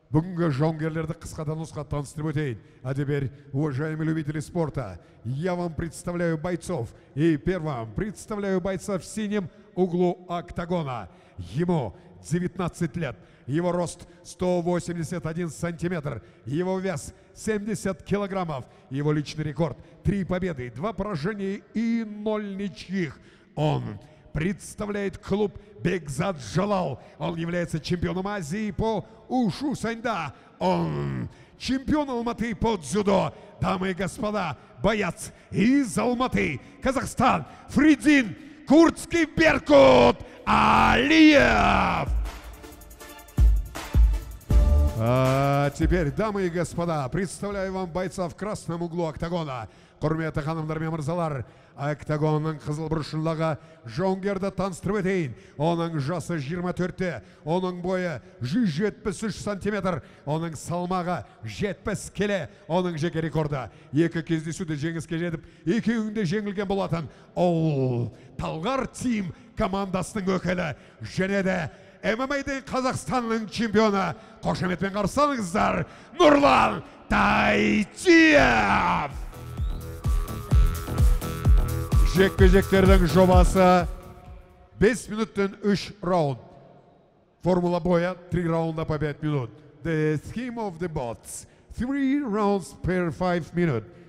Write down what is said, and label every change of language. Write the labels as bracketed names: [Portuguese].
[Kazakh] Бүгінгі жауынгерлерді қысқа нұсқа таныстырып өтейін. [Russian] А теперь, уважаемые любители спорта, я вам представляю бойцов. И первым представляю бойца в синем углу октагона. Ему 19 лет. Его рост 181 сантиметр. Его вес 70 килограммов. Его личный рекорд 3 победы, 2 поражения и 0 ничьих. Он представляет клуб «Бекзат Джалал». Он является чемпионом Азии по ушу саньда. Он чемпион Алматы по дзюдо. Дамы и господа, боец из Алматы, Казахстан, Фридзин Курцкий Беркут Алиев. А теперь, дамы и господа, представляю вам бойца в красном углу октагона. Курмет Аханов Нарме Мырзалар. [Kazakh] Октагонның қызыл бұрышындағы жауынгерді таныстырып өтейін. Оның жасы 24-те, оның бойы 173 сантиметр, оның салмағы 70 келе, оның жеке рекорды. Екі кездесуде жеңіске жетіп, екеуінде жеңілген болатын. Ол Талғар Тим командасының өкілі, және де ММА-ден Қазақстанның чемпионы. Қошеметпен қарсы алыңыздар, Нұрлан Тайтиев! Жекпе-жектердің жобасы 5 минуттен 3 раунд. [Russian] Формула боя 3 раунда по 5 минут. [English] The scheme of the bots. 3 rounds per 5 [Russian] минут.